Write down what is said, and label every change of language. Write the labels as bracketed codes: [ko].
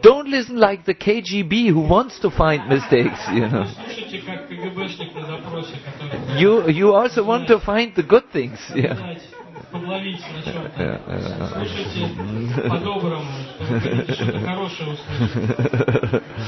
[en] Don't listen like the KGB who wants to find mistakes, you know. [ru] Слушайте как КГБшник на запросе, который. [en] You also want to find the good things, yeah. [ru] Подловить на чем-то. Слушайте по-доброму, чтобы хорошее услышать.